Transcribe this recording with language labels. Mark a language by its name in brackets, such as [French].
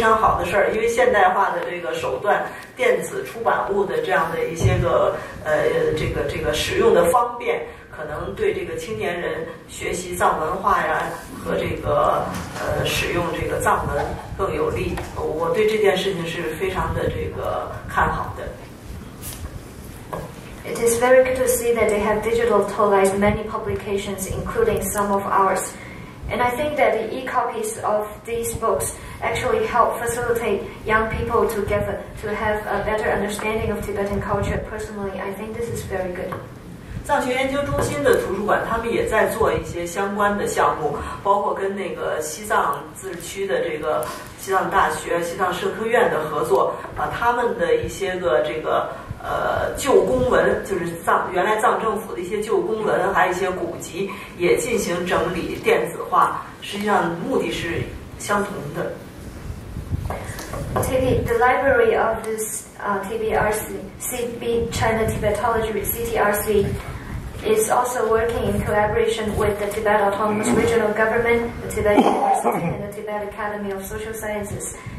[Chinese] 那么刚才讲到的，他已经这个录入的那些电子版的这个藏文的古籍啊，和现代的一些书籍，包括我们出版社的一些书，他都录入了，应该是一件非常好的事儿。因为现代化的这个手段，电子出版物的这样的一些个使用的方便。可能对这个青年人学习藏文化呀和这个使用这个藏文更有利，我对这件事情是非常的这个看好的。 [English] It is very good to see that they have digitalized many publications, including some of ours. And I think that the e-copies of these books actually help facilitate young people to have a better understanding of Tibetan culture. Personally, I think this is very good. [Chinese] 藏学研究中心的图书馆他们也在做一些相关的项目，包括跟那个西藏自治区的这个西藏大学、西藏社科院的合作，把他们的一些个这个旧公文，就是原来藏政府的一些旧公文，还有一些古籍，也进行整理电子化，实际上目的是相同的。 [English] The library of this TBRC, China Tibetology CTRC, is also working in collaboration with the Tibet Autonomous Regional Government, the Tibet University, and the Tibet Academy of Social Sciences.